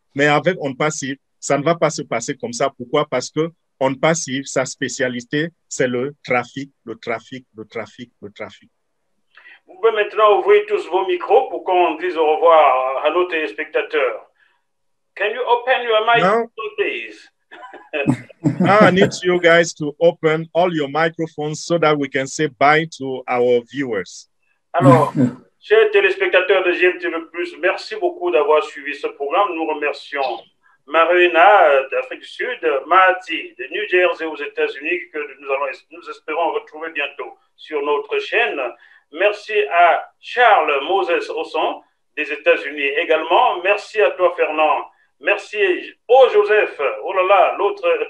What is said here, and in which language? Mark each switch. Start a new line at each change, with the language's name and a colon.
French: Mais avec OnPassive, ça ne va pas se passer comme ça. Pourquoi? Parce que OnPassive, sa spécialité, c'est le trafic. Vous pouvez maintenant ouvrir tous vos micros pour qu'on dise au revoir à nos téléspectateurs.
English: Can you open your microphone, please? I need you guys to open all your microphones so that we can say bye to our viewers.
French: Alors, chers téléspectateurs de GMTV+, merci beaucoup d'avoir suivi ce programme. Nous remercions Marina d'Afrique du Sud, Mati de New Jersey aux États-Unis, que nous espérons retrouver bientôt sur notre chaîne. Merci à Charles Moses Osson des États-Unis également. Merci à toi, Fernand. Merci. Oh, Joseph, oh là là, l'autre,